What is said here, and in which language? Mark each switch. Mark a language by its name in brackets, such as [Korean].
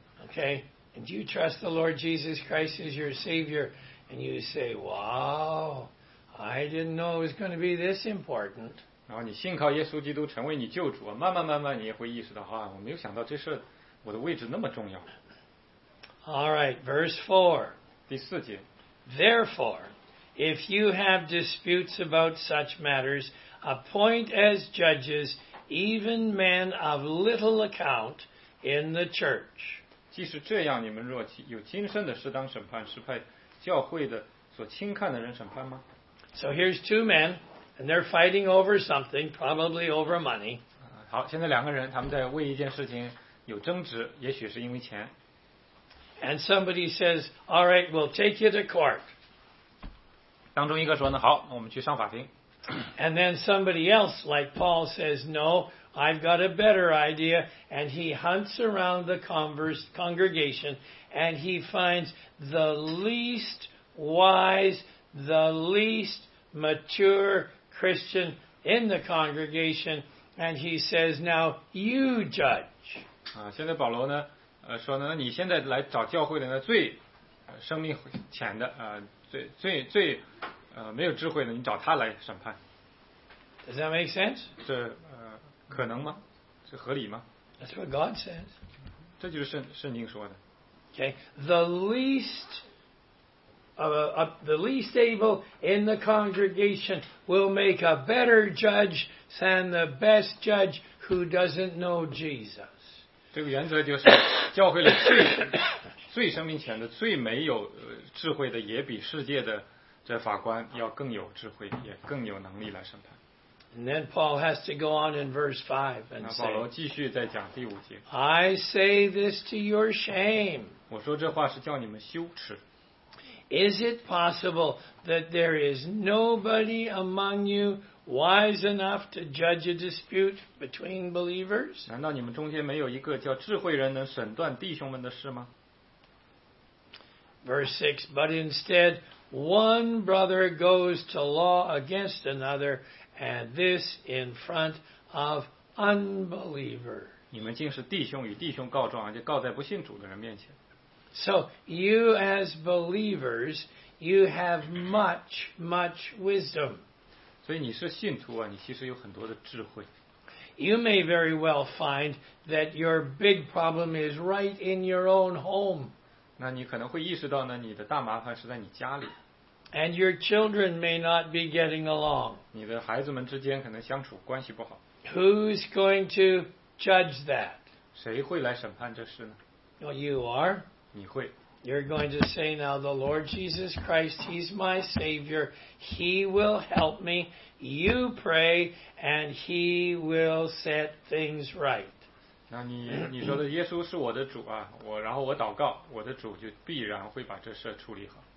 [English] Okay, and you trust the Lord Jesus Christ as your Savior, and you say, "Wow, I didn't know it was going to be this important." [Chinese] 然后你信靠耶稣基督成为你救主，慢慢你也会意识到，啊，我没有想到这事，我的位置那么重要。 [English] All right, verse 4. [Chinese] 第四节。 [English] Therefore, if you have disputes about such matters, appoint as judges even men of little account in the church. [Chinese] 即使这样，你们若有轻生的事当审判，是派教会的所轻看的人审判吗？ [English] So here's two men, and they're fighting over something, probably over money. [Chinese] 好，现在两个人，他们在为一件事情有争执，也许是因为钱。 [English] And somebody says, "All right, we'll take you to court." [Chinese] 当中一个说呢，好，我们去上法庭。 [English] And then somebody else, like Paul, says, "No, I've got a better idea." And he hunts around the congregation, and he finds the least wise, the least mature Christian in the congregation, and he says, "Now you judge." [Chinese] 啊，现在保罗呢？说呢，你现在来找教会的那最生命浅的最没有智慧的，你找他来审判。 [English] Does that make sense? [Chinese] 这可能吗？是合理吗 [English] ？That's what God says. [Chinese] 这就是圣经说的。 [English] Okay, the least able in the congregation will make a better judge than the best judge who doesn't know Jesus. [Chinese] 这个原则就是教会里最生命浅的最没有智慧的也比世界的这法官要更有智慧也更有能力来审判。 [English] And then Paul has to go on in verse 5 and say, [Chinese] 保罗继续在讲第五节。 [English] I say this to your shame. [Chinese] 我说这话是叫你们羞耻。 [English] Is it possible that there is nobody among you wise enough to judge a dispute between believers? [Chinese] 难道你们中间没有一个叫智慧人能审断弟兄们的事吗？ [English] Verse 6, but instead, one brother goes to law against another, and this in front of unbelievers. [Chinese] 你们竟是弟兄与弟兄告状，就告在不信主的人面前。 [English] So, you as believers, you have much, much wisdom. [Chinese] 所以你是信徒啊，你其实有很多的智慧。 [English] You may very well find that your big problem is right in your own home. [Chinese] 那你可能会意识到呢，你的大麻烦是在你家里。 [English] And your children may not be getting along. [Chinese] 你的孩子们之间可能相处关系不好。 [English] Who's going to judge that? [Chinese] 谁会来审判这事呢？ [English] Well, you are. [Chinese] 你会 [English] You're going to say now, the Lord Jesus Christ, He's my Savior. He will help me. You pray, and He will set things right. [Chinese] 那你说的耶稣是我的主啊，然后我祷告，我的主就必然会把这事处理好。